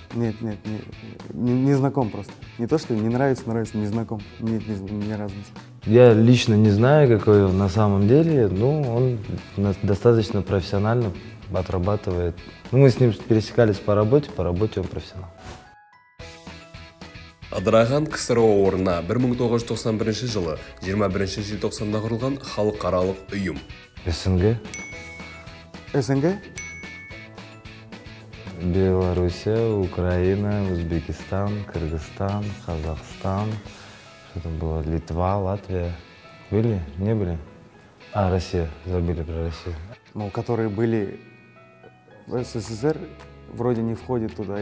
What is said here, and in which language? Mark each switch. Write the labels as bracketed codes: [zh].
[ru] Нет, нет, не знаком просто. Не то, что не нравится, нравится, не знаком. Нет, ни разу не знаком. Я лично не знаю, какой он на самом деле, но он достаточно профессионально отрабатывает. Ну, мы с ним пересекались по работе он профессионал. [kk] Адыраған КСРО орнына 1991 жылы 21 желтоқсанда құрылған халықаралық ұйым. [ru] СНГ? СНГ? Белоруссия, Украина, Узбекистан, Кыргызстан, Қазақстан, что там было, Литва, Латвия. Были? Не были? А, Россия. Забыли про Россию. Ну, которые были в СССР, вроде не входят туда.